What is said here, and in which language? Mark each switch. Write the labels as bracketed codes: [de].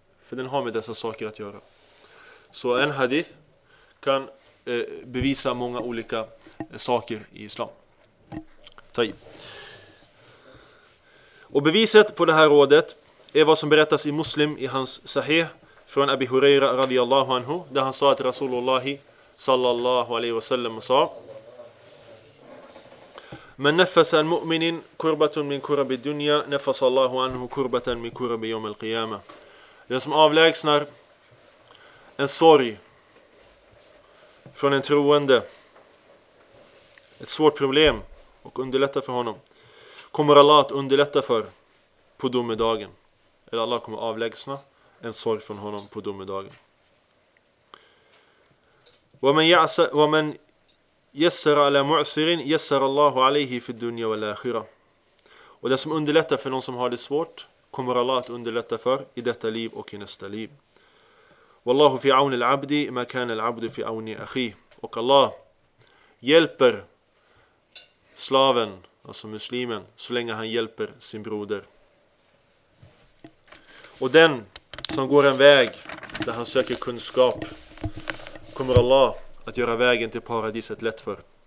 [sv] För den har med dessa saker att göra. Så en hadith kan bevisa många olika saker i islam. Och beviset på det här rådet är vad som berättas i Muslim i hans sahih från Abi Huraira radiyallahu anhu. Där han sa att Rasulullah sallallahu alaihi wasallam sa: [ar] من نفس المؤمن كربة من كرب الدنيا نفس الله عنه كربة من كرب يوم القيامة. [sv] Den som avlägsnar en sorg från en troende, ett svårt problem, och underlättar för honom, kommer Allah att underlätta för på domedagen. Eller Allah kommer avlägsna en sorg från honom på domedagen. [ar] ومن يسر على معسر يسر الله عليه في الدنيا والآخرة. [sv] Och det som underlättar för någon som har det svårt kommer Allah att underlätta för i detta liv och i nästa liv. [ar] والله في عون العبد ما كان العبد في عون أخيه. [sv] Och Allah hjälper slaven, alltså muslimen, så länge han hjälper sin broder. Och den som går en väg där han söker kunskap kommer Allah att göra vägen till paradiset lätt för.